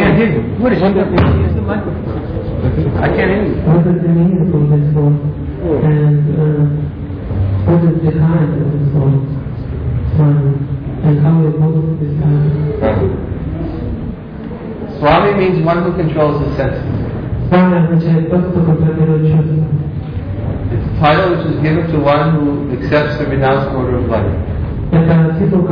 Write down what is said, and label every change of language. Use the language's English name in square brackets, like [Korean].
[English] I can't hear you. What is it? Use the microphone. I can't hear you. What is the meaning of this word? And what is behind this word Swami? And how we both of this kind of... Swami means one who controls the senses. [Russian] Swami означает тот, кто контролирует чувства. [English] It's a title which is given to one who accepts the renounced order of life.